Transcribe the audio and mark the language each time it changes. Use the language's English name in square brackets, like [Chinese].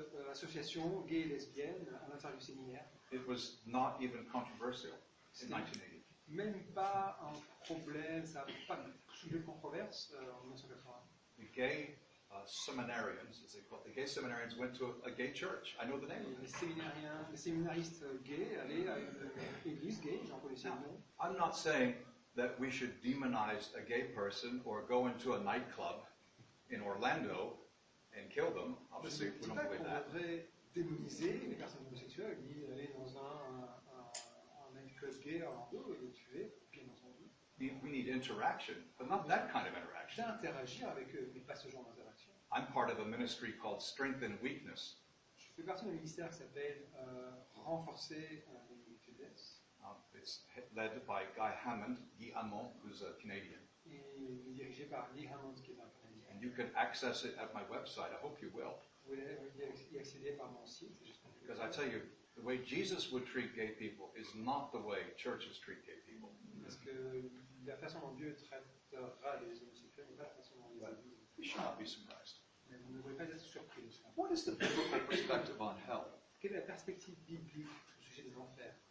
[French] association gay et lesbienne à l'intérieur du séminaire. [English] It was not even controversial in 1980. [French] Même pas un problème, ça n'a pas soulevé de controverse en 1980. [English] The gay seminarians, as they call it, the gay seminarians went to a gay church. I know the name. [French] Les séminariens, les séminaristes gays allaient à une église gay, j'en connaissais le nom. [English] I'm not saying that we should demonize a gay person or go into a nightclub in Orlando and kill them. Obviously, we don't believe that. [French] On devrait démoniser les personnes homosexuelles ni aller dans un nightclub gay à Orlando et les tuer, bien entendu. [English] We need interaction, but not that kind of interaction. [French] D'interagir avec eux, mais pas ce genre d'interaction. [English] I'm part of a ministry called Strength and Weakness. [French] Je fais partie d'un ministère qui s'appelle Renforcer les faiblesses. [English] It's led by Guy Hammond, Guy Hammond, who's a Canadian. [French] Il est dirigé par Guy Hammond, qui est un Canadien. [English] And you can access it at my website. I hope you will. [French] Vous pouvez y accéder par mon site. [English] Because I tell you, the way Jesus would treat gay people is not the way churches treat gay people. [French] Parce que la façon dont Dieu traitera les homosexuels n'est pas la façon dont les églises. [English] You should not be surprised. [French] Mais vous ne devriez pas être surpris de ça. [English] What is the biblical perspective on hell? [French] Quelle est la perspective biblique au sujet des enfers?